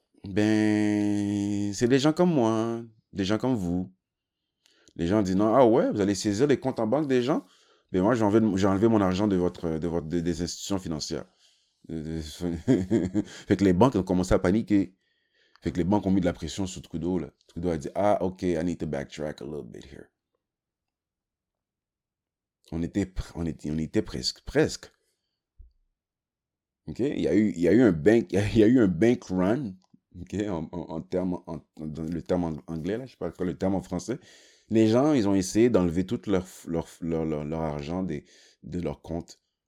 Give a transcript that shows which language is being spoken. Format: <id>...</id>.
<fr>Ben, c'est des gens comme moi, des gens comme vous. Les gens disent non, ah ouais, vous allez saisir les comptes en banque des gens? Ben, moi, j'ai enlevé mon argent des institutions financières. Fait que les banques ont commencé à paniquer. Fait que les banques ont mis de la pression sur Trudeau, là. Trudeau a dit, ah,</fr> <en>OK, I need to backtrack a little bit here.</en> <fr>On était presque, presque. OK? Il y a eu un bank run, OK, dans le terme anglais, là, je sais pas quoi, le terme en français. Les gens, ils ont essayé d'enlever tout leur argent de leur compte.</fr>